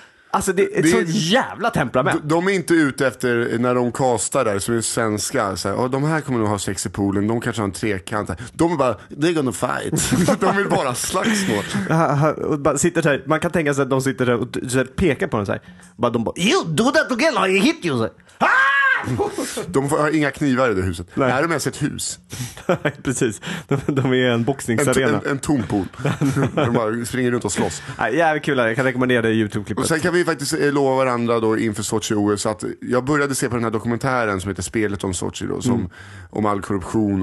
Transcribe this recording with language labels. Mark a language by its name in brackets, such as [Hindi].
[Swedish] Alltså det är ett så jävla temperament. De är inte ute efter, när de kastar där, som är svenska, så här, de här kommer nog ha sex i poolen, de kanske har en trekant här. [English] De är bara, they're gonna fight. [Swedish] De vill bara slagsmål. Sitter så här, man kan tänka sig att de sitter där och så här, pekar på dem så här. Bara, de bara, [English] you do that again, I hit you. Ah! [Swedish] De har inga knivar i det huset. Nej. Det här är med sig ett hus. Precis, de är en boxningsarena. En tom pool. De bara springer runt och slåss. Nej, jävligt kul, jag kan rekommendera det i YouTube-klippet. Och sen kan vi faktiskt lova varandra då inför Sochi OS att jag började se på den här dokumentären som heter Spelet om Sochi då, som om all korruption.